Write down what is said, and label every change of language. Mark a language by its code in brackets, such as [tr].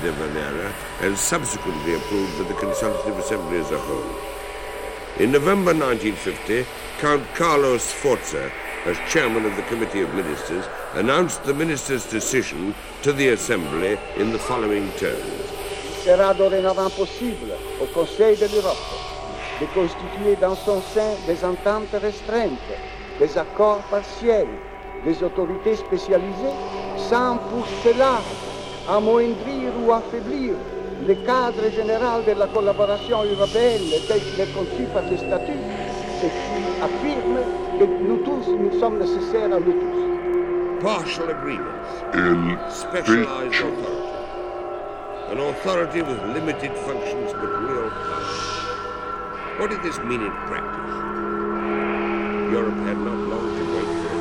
[en] de Valera and subsequently approved by the Consultative Assembly as a whole. In November 1950, Count Carlo Sforza, as chairman of the Committee of Ministers, announced the minister's decision to the Assembly in the following terms. [fr] "Sera dorénavant possible au Conseil de l'Europe de constituer dans son sein des ententes restreintes, des accords partiels, des autorités spécialisées, sans pour cela amoindrir ou affaiblir le cadre général de la collaboration européenne tel qu'il est conçu par le statut, ce qui affirme que nous tous nous sommes nécessaires à nous tous." [en] Partial agreements. In specialized authority. An authority with limited functions but real power. What did this mean in practice? Europe had not long to wait.